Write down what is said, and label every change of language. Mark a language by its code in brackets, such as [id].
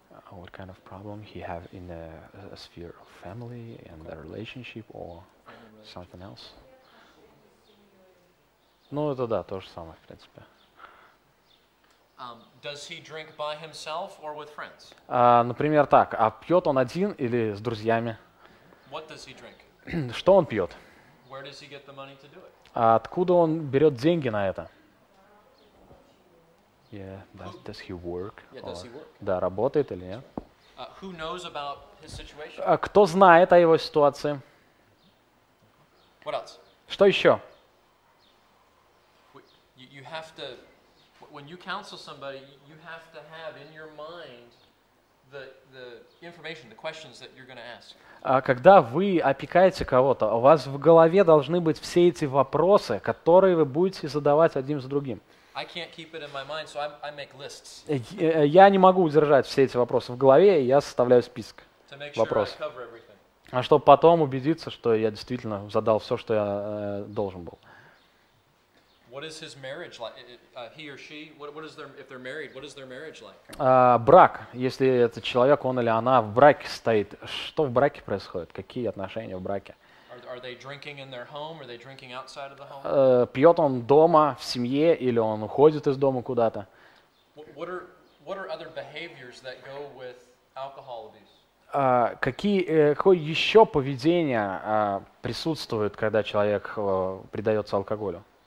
[en] What kind of problem he have in a sphere of family and the relationship or something else? [ru] Ну это да, то же самое в принципе. [en] Does he drink by himself or with friends? [ru] Например, так. А пьет он один или с друзьями? [en] What does he drink? [ru] Что он пьет? [en] Where does he get the money to do it? [ru] А откуда он берет деньги на это? [en] Yeah, does he work? Yeah, does he work? [ru] Да, работает или нет? [en] Who knows about his situation? [ru] Кто знает о его ситуации? [en] What else? [ru] Что еще? [en] You have to, when you counsel somebody, you have to have in your mind the information, the questions that you're going to ask. [ru] Когда вы опекаете кого-то, у вас в голове должны быть все эти вопросы, которые вы будете задавать один с другим. [en] I can't keep it in my mind, so I make lists. [ru] Я не могу удержать все эти вопросы в голове, и я составляю список вопросов. [en] To make sure I cover everything. [ru] А чтобы потом убедиться, что я действительно задал все, что я должен был. [en] What is his marriage like? He or she? What is their, if they're married, what is their marriage like? [ru] Брак. Если этот человек, он или она в браке стоит, что в браке происходит? Какие отношения в браке? [en] Are they drinking in their home? Are they drinking outside of the home? [ru] Пьет он дома, в семье, или он уходит из дома куда-то? [en] What are other behaviors that go with alcohol abuse? [ru] Какое еще поведение присутствует, когда человек предается алкоголю?